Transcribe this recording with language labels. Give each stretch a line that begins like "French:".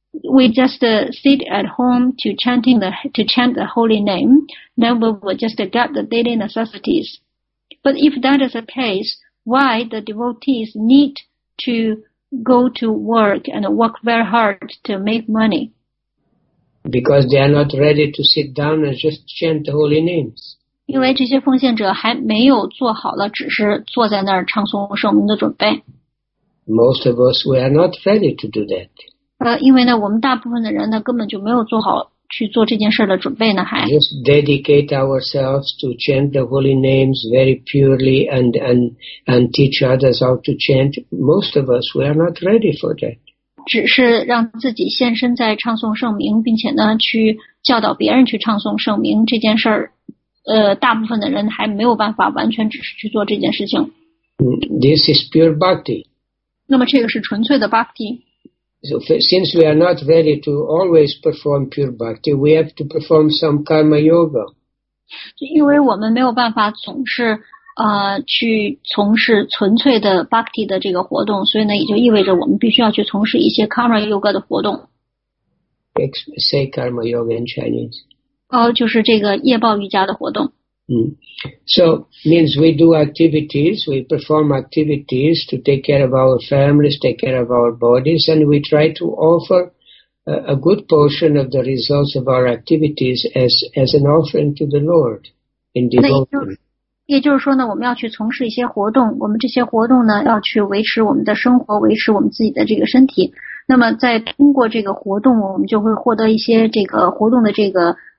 English: We just sit at home to chant the holy name, then we will just get the daily necessities. But if that is the case, why the devotees need to go to work and work very hard to make money? Because they are not ready to sit down and just chant the holy names.
Chinese: 因为这些奉献者还没有做好了只是坐在那儿唱诵圣名的准备。
English: Most of us, we are not ready to do that.
Chinese: 因为呢，我们大部分的人呢，根本就没有做好去做这件事的准备呢，还。
English: Just dedicate ourselves to chant the holy names very purely and teach others how to chant. Most of us, we are not ready for that.
Chinese: 只是让自己献身在唱诵圣名，并且呢，去教导别人去唱诵圣名这件事，大部分的人还没有办法完全只是去做这件事情。
English: This is pure bhakti.
Chinese: 那么这个是纯粹的 bhakti。
English: So, since we are not ready to always perform pure bhakti, we have to perform some karma yoga.
Chinese: 因为我们没有办法总是去从事纯粹的 bhakti 的这个活动，所以呢，也就意味着我们必须要去从事一些 karma yoga 的活动。
English: Say karma yoga in Chinese.
Chinese: 就是这个业报瑜伽的活动。
English: So means we do activities, we perform activities to take care of our families, take care of our bodies, and we try to offer a good portion of the results of our activities as an offering to the Lord in devotion.
Chinese: 也就是说呢，我们要去从事一些活动，我们这些活动呢，要去维持我们的生活，维持我们自己的这个身体。那么在通过这个活动，我们就会获得一些这个活动的这个。